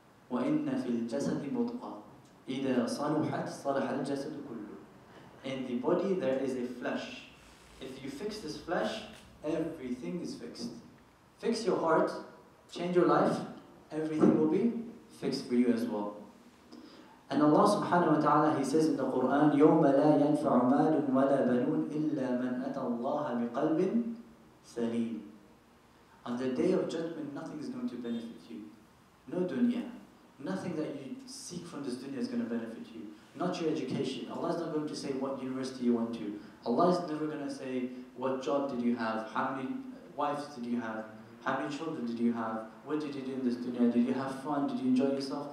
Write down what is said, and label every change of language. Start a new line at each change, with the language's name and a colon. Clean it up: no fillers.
Arabic: وَإِنَّ فِي الْجَسَدِ مُطْقًا إِذَا صَلُحَتْ صَلَحَ الْجَسَدُ كُلُّ.
English: In the body, there is a flesh. If you fix this flesh, everything is fixed. Fix your heart, change your life, everything will be fixed for you as well. And Allah subhanahu wa ta'ala, He says in the Qur'an,
Arabic: يَوْمَ لَا يَنْفَعُ مَالٌ وَلَا بَنُونَ إِلَّا مَنْ أَتَى اللَّهَ بِقَلْبٍ سَلِيمٍ.
English: On the Day of Judgment, nothing is going to benefit you. No dunya. Nothing that you seek from this dunya is going to benefit you. Not your education. Allah is not going to say what university you went to. Allah is never going to say what job did you have, how many wives did you have, how many children did you have, what did you do in this dunya, did you have fun, did you enjoy yourself?